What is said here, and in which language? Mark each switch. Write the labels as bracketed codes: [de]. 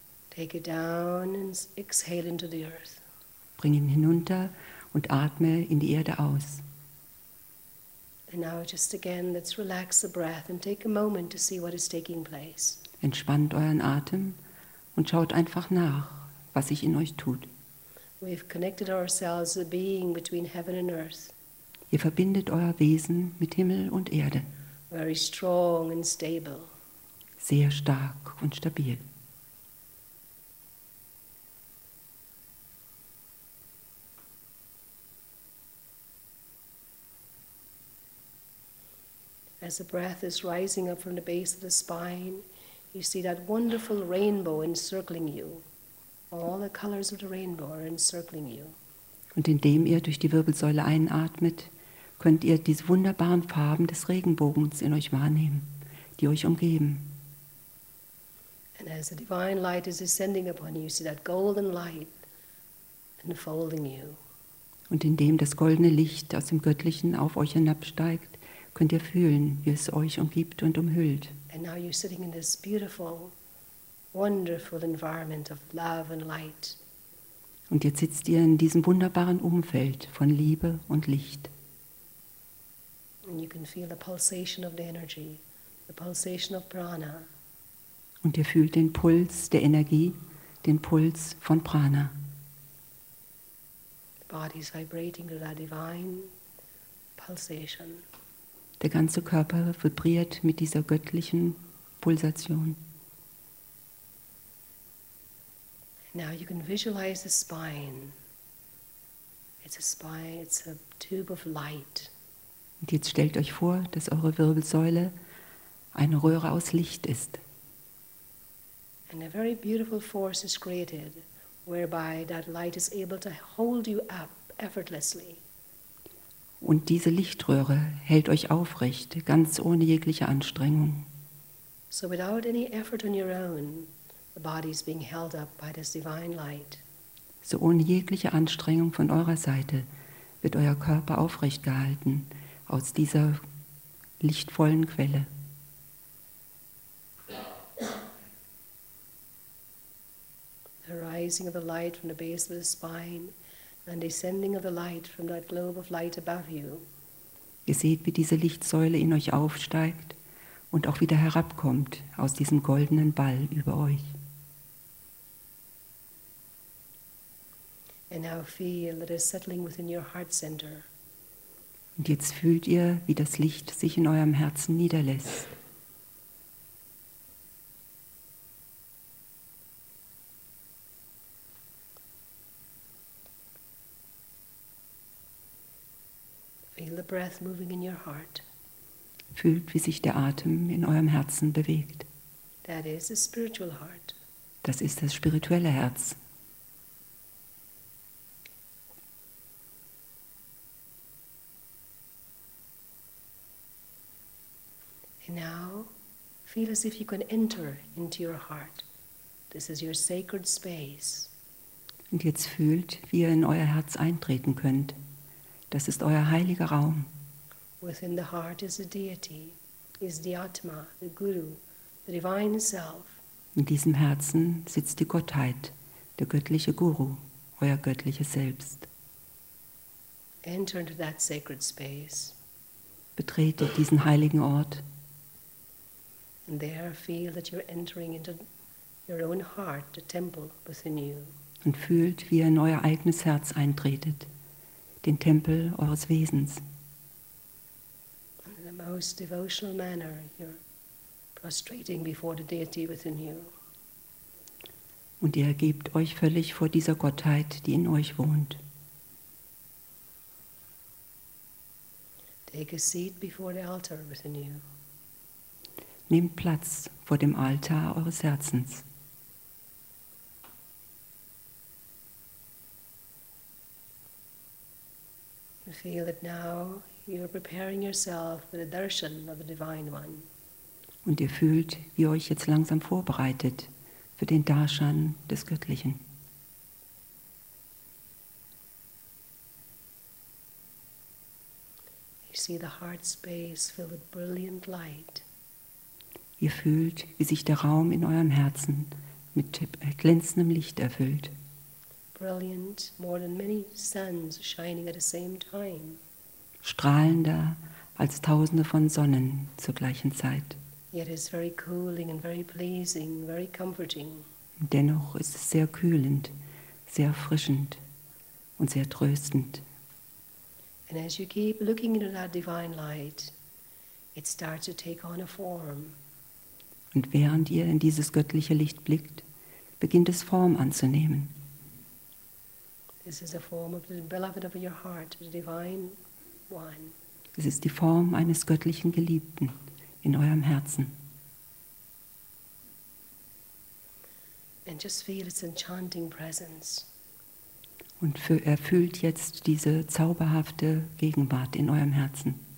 [en] Take it down and exhale into the earth. [de] Bring ihn hinunter und atme in die Erde aus. [en] And now just again, let's relax the breath and take a moment to see what is taking place. [de] Entspannt euren Atem. Und schaut einfach nach, was sich in euch tut. [en] We've connected ourselves a being between heaven and earth. [de] Ihr verbindet euer Wesen mit Himmel und Erde. [en] Very strong and stable. [de] Sehr stark und stabil. [en] As the breath is rising up from the base of the spine, you see that wonderful rainbow encircling you. All the colors of the rainbow are encircling you. [de] Und indem ihr durch die Wirbelsäule einatmet, könnt ihr diese wunderbaren Farben des Regenbogens in euch wahrnehmen, die euch umgeben. [en] And as the divine light is descending upon you, you see that golden light enfolding you. [de] Und indem das goldene Licht aus dem Göttlichen auf euch hinabsteigt, könnt ihr fühlen, wie es euch umgibt und umhüllt. [en] And now you're sitting in this beautiful, wonderful environment of love and light. [de] Und jetzt sitzt ihr in diesem wunderbaren Umfeld von Liebe und Licht. [en] And you can feel the pulsation of the energy, the pulsation of prana. [de] Und ihr fühlt den Puls der Energie, den Puls von Prana. [en] The body is vibrating to that divine pulsation. [de] Der ganze Körper vibriert mit dieser göttlichen Pulsation. [en] Now you can visualize the spine. It's a spine, it's a tube of light. [de] Und jetzt stellt euch vor, dass eure Wirbelsäule eine Röhre aus Licht ist. [en] And a very beautiful force is created, whereby that light is able to hold you up effortlessly. [de] Und diese Lichtröhre hält euch aufrecht, ganz ohne jegliche Anstrengung. [en] So without any effort on your own, the body is being held up by this divine light. [de] So ohne jegliche Anstrengung von eurer Seite wird euer Körper aufrecht gehalten aus dieser lichtvollen Quelle. [en] The rising of the light from the base of the spine and descending of the light from that globe of light above you. [de] Ihr seht, wie diese Lichtsäule in euch aufsteigt und auch wieder herabkommt aus diesem goldenen Ball über euch. [en] And now feel that it's settling within your heart center. [de] Und jetzt fühlt ihr, wie das Licht sich in eurem Herzen niederlässt. [en] Feel the breath moving in your heart. [de] Fühlt, wie sich der Atem in eurem Herzen bewegt. [en] That is a spiritual heart. [de] Das ist das spirituelle Herz. [en] Now feel as if you can enter into your heart. This is your sacred space. [de] Und jetzt fühlt, wie ihr in euer Herz eintreten könnt. Das ist euer heiliger Raum. [en] Within the heart is the deity, is the Atma, the Guru, the divine self. [de] In diesem Herzen sitzt die Gottheit, der göttliche Guru, euer göttliches Selbst. [en] Enter into that sacred space. [de] Betrete diesen heiligen Ort. [en] And there feel that you're entering into your own heart, the temple within you. [de] Und fühlt, wie ihr in euer eigenes Herz eintretet. Den Tempel eures Wesens. [en] In the most devotional manner, you're prostrating before the deity within you. [de] Und ihr ergebt euch völlig vor dieser Gottheit, die in euch wohnt. [en] Take a seat before the altar within you. [de] Nehmt Platz vor dem Altar eures Herzens. [en] Feel that now you're preparing yourself for the darshan of the Divine One. [de] Und ihr fühlt, wie ihr euch jetzt langsam vorbereitet für den Darshan des Göttlichen. [en] You see the heart space filled with brilliant light. [de] Ihr fühlt, wie sich der Raum in eurem Herzen mit glänzendem Licht erfüllt. [en] Brilliant, more than many suns shining at the same time. [de] Strahlender als tausende von Sonnen zur gleichen Zeit. [en] Yet it's very cooling and very pleasing, very comforting. [de] Dennoch ist es sehr kühlend, sehr erfrischend und sehr tröstend. [en] And as you keep looking into that divine light, it starts to take on a form. [de] Und während ihr in dieses göttliche Licht blickt, beginnt es Form anzunehmen. [en] This is a form of the beloved of your heart, the divine one. [de] Es ist die Form eines göttlichen Geliebten in eurem Herzen. [en] And just feel its enchanting presence. [de] Und erfüllt jetzt diese zauberhafte Gegenwart in eurem Herzen.